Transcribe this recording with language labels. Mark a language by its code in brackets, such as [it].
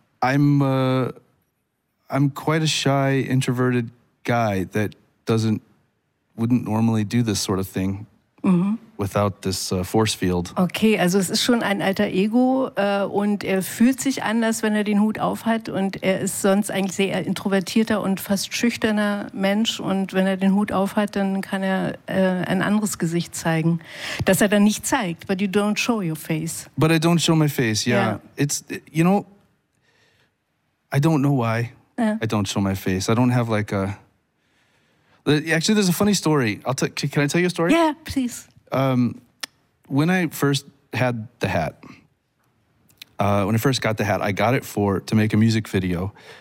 [en] I'm quite a shy, introverted guy that wouldn't normally do this sort of thing. Mm-hmm. Without this force field. [de] Okay, also es ist schon ein alter Ego und er fühlt sich anders, wenn er den Hut auf hat und er ist sonst eigentlich sehr introvertierter und fast schüchterner Mensch und wenn er den Hut auf hat, dann kann er ein anderes Gesicht zeigen, das er dann nicht zeigt. [en] But you don't show your face. But I don't show my face, yeah. Yeah. It's, you know, I don't know why I don't show my face. I don't have like a... Actually, there's a funny story. Can I tell you a story? Yeah, please. When I first had the hat, when I first got the hat, I got it to make a music video.